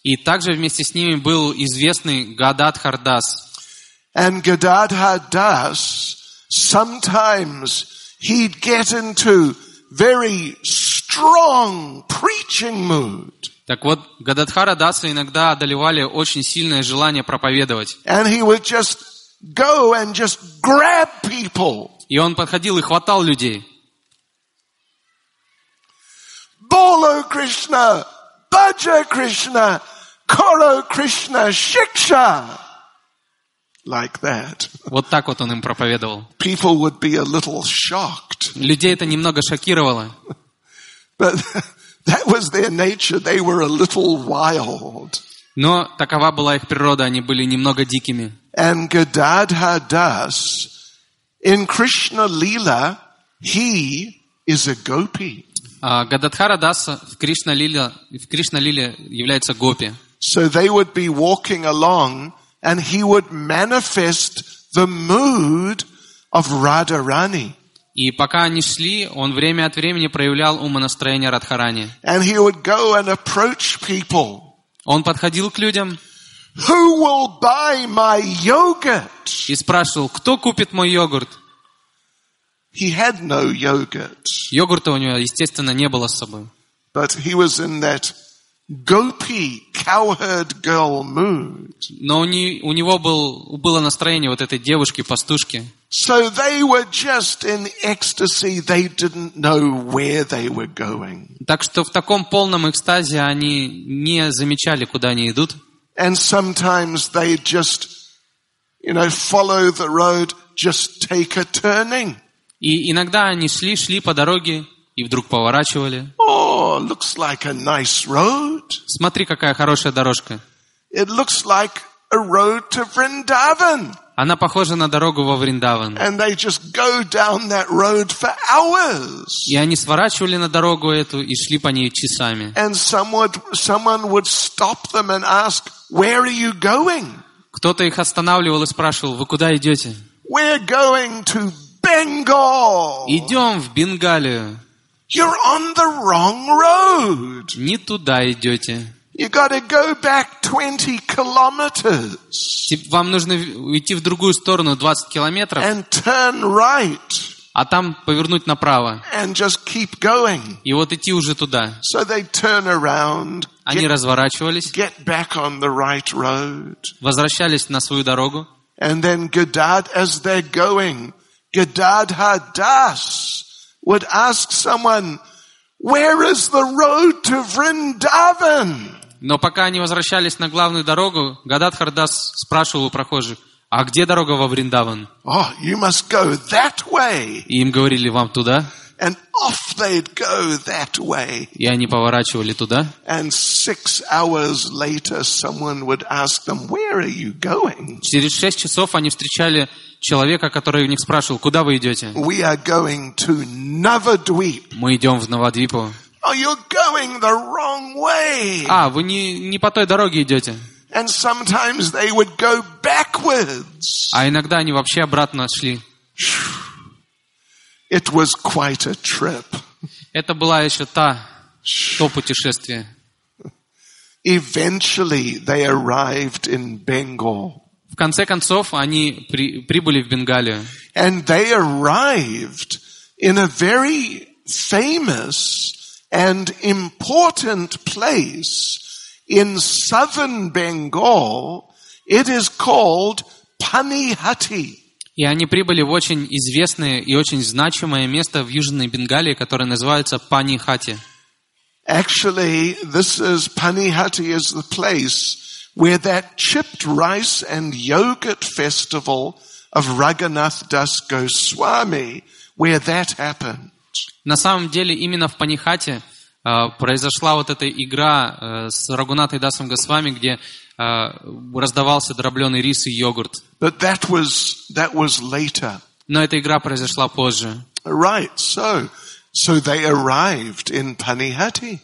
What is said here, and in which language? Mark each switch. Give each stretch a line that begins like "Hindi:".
Russian: И также вместе с ними был известный Гададхар Дас.
English: And Gadadhar Das, sometimes he'd get into very strong preaching mood.
Russian: Так вот, Гададхара Даса иногда одолевали очень сильное желание проповедовать.
English: And he would just go and just grab people.
Russian: И он подходил и хватал людей.
Bangla: Боло Кришна, Баджа Кришна, Коло Кришна, Шикша.
English: Like that.
Russian: Вот так вот он им проповедовал.
English: People would be a little shocked.
Russian: Людей это немного шокировало.
English: But that was their nature. They were a little wild.
Russian: Но такова была их природа. Они были немного дикими.
English: And Gadadhar Das, in Krishna Lila, he is a gopi.
Russian: Gadadhara Das в Кришна Лиле является гопи.
English: So they would be walking along, and he would manifest the mood of Radharani.
Russian: И пока они шли, он время от времени проявлял умонастроение Радхарани.
English: And he would go and approach people.
Russian: Он подходил к людям.
English: Who will buy my yogurt?
Russian: И спрашивал, кто купит мой йогурт?
English: He had no yogurt.
Russian: Йогурта у него, естественно, не было с собой.
English: But he was in that gopi cowherd girl mood.
Russian: Но у него было настроение вот этой девушки-пастушки.
English: So they were just in ecstasy. They didn't know where they were going.
Russian: Так что в таком полном экстазе они не замечали, куда они идут.
English: And sometimes they just, you know, follow the road, just take a turning.
Russian: И иногда они шли по дороге и вдруг поворачивали.
English: Oh, looks like a nice road.
Russian: Смотри, какая хорошая дорожка.
English: It looks like a road to Vrindavan.
Russian: Она похожа на дорогу во Вриндаван.
English: And they just go down that road for hours.
Russian: И они сворачивали на дорогу эту и шли по ней часами.
English: And someone would stop them and ask, "Where are you going?"
Russian: Кто-то их останавливал и спрашивал, "Вы куда идете?"
English: "We're going to Bengal."
Russian: Идем в Бенгалию.
English: "You're on the wrong road."
Russian: Не туда идете.
English: You got to go back 20 kilometers.
Russian: Вам нужно уйти в другую сторону 20 километров.
English: And turn right.
Russian: А там повернуть направо.
English: And just keep going.
Russian: И вот идти уже туда.
English: So they turn around.
Russian: Они разворачивались.
English: Get back on the right road.
Russian: Возвращались на свою дорогу.
English: And then Gadad, as they're going, Gadadhar Das would ask someone, "Where is the road to Vrindavan?"
Russian: Но пока они возвращались на главную дорогу, Гададхар Дас спрашивал у прохожих, "А где дорога во Вриндаван?"
English: "Oh, you must go that way."
Russian: И им говорили, "Вам туда."
English: And off they'd go that way.
Russian: И они поворачивали туда.
English: And 6 hours later, someone would ask them, "Where are you going?"
Russian: Через 6 часов они встречали человека, который у них спрашивал, "Куда вы идете?"
English: "We are going to Navadvip."
Russian: Мы идем в Навадвипу.
English: "Oh, you're going the wrong way."
Russian: А вы не по той дороге идете.
English: And sometimes they would go backwards.
Russian: А иногда они вообще обратно шли.
English: It was quite a trip.
Russian: Это была еще то путешествие.
English: Eventually they arrived in Bengal.
Russian: В конце концов они прибыли в Бенгалию.
English: And they arrived in a very famous and important place in southern Bengal. It is called Panihati.
Russian: И они прибыли в очень известное и очень значимое место в Южной Бенгалии, которое называется Панихати.
English: Actually, this is Panihati is the place where that chipped rice and yogurt festival of Raghunath Das Goswami, where that happened.
Russian: На самом деле, именно в Панихати произошла вот эта игра с Рагунатой Дасом Госвами, где раздавался дробленый рис и йогурт.
English: But that was later.
Russian: Но эта игра произошла позже.
English: Right, so they arrived in Panihati.